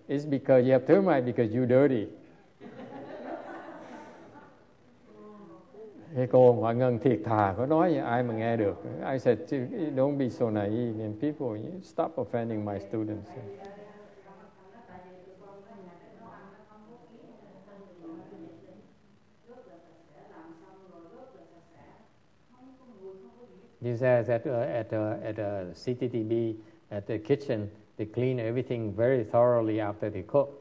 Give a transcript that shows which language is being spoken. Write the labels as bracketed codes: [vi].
[en] It's because you have termite because you're dirty. [vi] Thế cô Hoa Ngân thiệt thà có nói vậy, ai mà nghe được. [en] I said, don't be so naive, and people, stop offending my students. He says at CTTB, at the kitchen, they clean everything very thoroughly after they cook.